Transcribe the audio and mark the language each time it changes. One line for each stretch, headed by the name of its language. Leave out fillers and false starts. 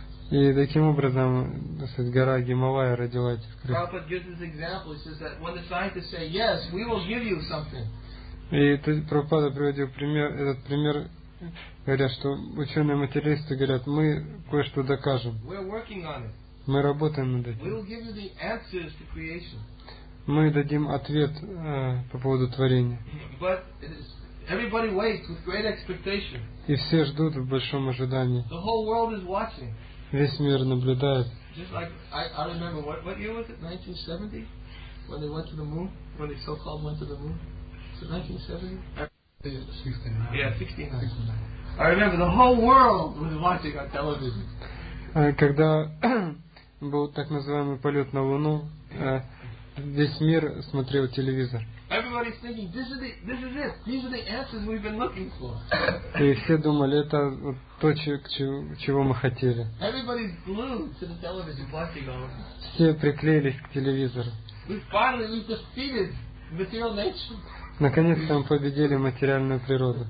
Russian: И таким образом, гора Гималая родила этих крыс.
English: Prabhupada gives this example. He says that when the scientists say, yes, we will give you something.
Russian: И Прабхупада приводил пример, этот пример, говоря, что ученые-материалисты говорят, мы кое-что докажем.
English: We're working on it.
Russian: Мы работаем над этим.
English: We will give you the answers to creation.
Russian: Мы дадим ответ по поводу творения.
English: But everybody waits with great expectation.
Russian: И все ждут в большом ожидании.
English: The whole world is watching.
Russian: Весь мир наблюдает.
English: Just like I remember what year was it? 1970? When they went to the moon? When they so-called went to the moon? Was it 1970? 69. Yeah, 69. I remember the whole world was watching on television.
Russian: Когда был так называемый полет на Луну, весь мир смотрел телевизор.
English: Everybody everybody's thinking, this is it. These are the answers we've been looking for.
Russian: И все думали, это то, чего мы хотели.
English: Everybody's glued to the television, watching all.
Russian: Все приклеились к телевизору.
English: We defeated material nature.
Russian: Наконец-то мы победили материальную природу.